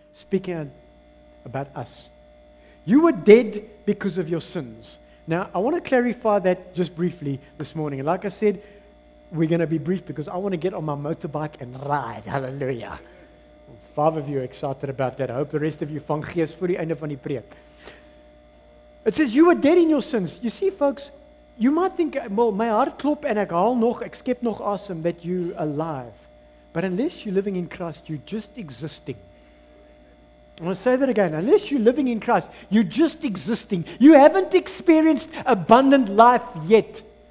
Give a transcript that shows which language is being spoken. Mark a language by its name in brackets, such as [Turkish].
[English] Speaking about us. You were dead because of your sins. Now, I want to clarify that just briefly this morning. Like I said, we're going to be brief because I want to get on my motorbike and ride. Hallelujah. Five of you are excited about that. I hope the rest of you [Afrikaans] vang gees voor die einde van die preek. [English] It says, you were dead in your sins. You see, folks, you might think, well, my heart [Afrikaans] klop en ek haal nog, ek skep nog asem [English] that you're alive. But unless you're living in Christ, you're just existing. I'm going to say that again. Unless you're living in Christ, you're just existing. You haven't experienced abundant life yet.